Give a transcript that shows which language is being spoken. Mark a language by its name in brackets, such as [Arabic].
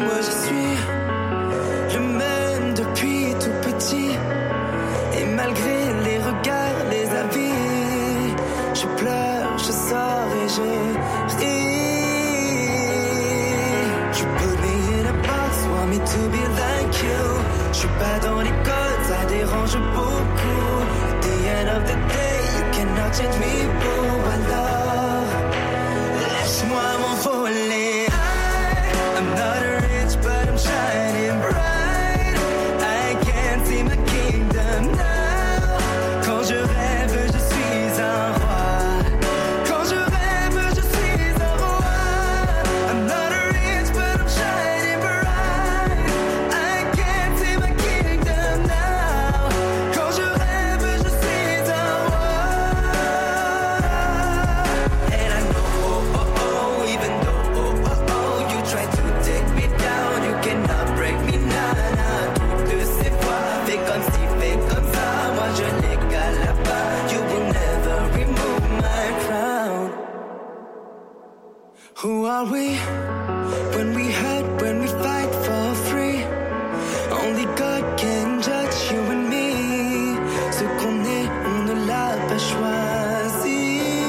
[French] Moi je suis le même depuis tout petit. Et malgré les regards, les avis, je pleure, je sors et je ris. [English] You put me in a box, want me to be like you. [French] Je suis pas dans les codes, ça dérange beaucoup. [English] At the end of the day, you cannot change me, boo. [French] Alors, laisse-moi m'envoler. [English] I'm not rich, but I'm shining bright. I can't see my kingdom now. [French] Quand je rêve, je suis un roi. Quand je rêve, je suis un roi. [English] I'm not rich, but I'm shining bright. I can't see my kingdom now. [French] Quand je rêve, je suis un roi. [English] And I know, oh, oh, even though, oh, oh, oh, you try to take me down, you cannot break me, nana. [French] Toutes ces fois, fais comme si, fais comme ça. Moi, je n'ai qu'à la fin. [English] You will never remove my crown. Who are we? When we hurt, when we fight for free, only God can judge you and me. [French] Ce qu'on est, on ne l'a pas choisi.